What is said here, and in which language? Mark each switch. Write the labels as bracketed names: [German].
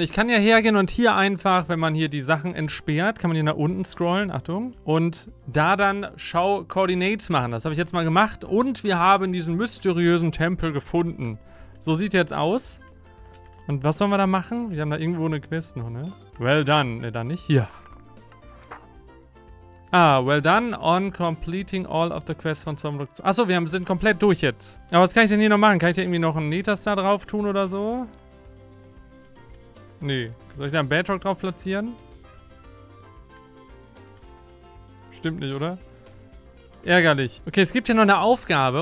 [German] Ich kann ja hergehen und hier einfach, wenn man hier die Sachen entsperrt, kann man hier nach unten scrollen, Achtung. Und da dann Schau-Coordinates machen. Das habe ich jetzt mal gemacht. Und wir haben diesen mysteriösen Tempel gefunden. So sieht jetzt aus. Und was sollen wir da machen? Wir haben da irgendwo eine Quest noch, ne? [English] Well done. [German] Ne, dann nicht. Hier. [English] Ah, well done on completing all of the quests von Zomrock. [German] Achso, wir sind komplett durch jetzt. Aber was kann ich denn hier noch machen? Kann ich da irgendwie noch einen Netastar drauf tun oder so? Nee. Soll ich da einen Badrock drauf platzieren? Stimmt nicht, oder? Ärgerlich. Okay, es gibt hier noch eine Aufgabe.